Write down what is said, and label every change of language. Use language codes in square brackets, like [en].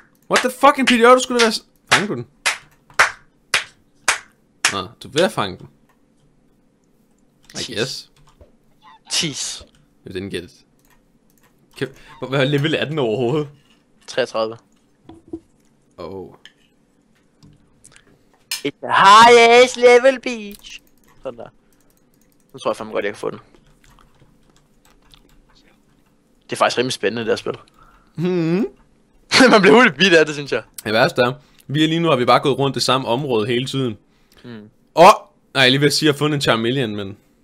[en] What the fucking PDO, [da] du skulle da være... Fange du den? Nå, du vil have fange den. [en] I guess. [da] Tis. Det er den gæld. Hvad level er den overhovedet? 33. Oh. [en] It's the highest level, bitch. [da] Sådan der. Nu tror jeg fandme godt, jeg kan få den. Det er faktisk rimelig spændende, det her spil. Mm-hmm. Man bliver hurtigt bit af det, synes jeg. Det værste er, vi er lige nu, har vi bare gået rundt det samme område hele tiden. Mm. Og, nej, lige ved at sige, jeg har fundet en Charmeleon, men...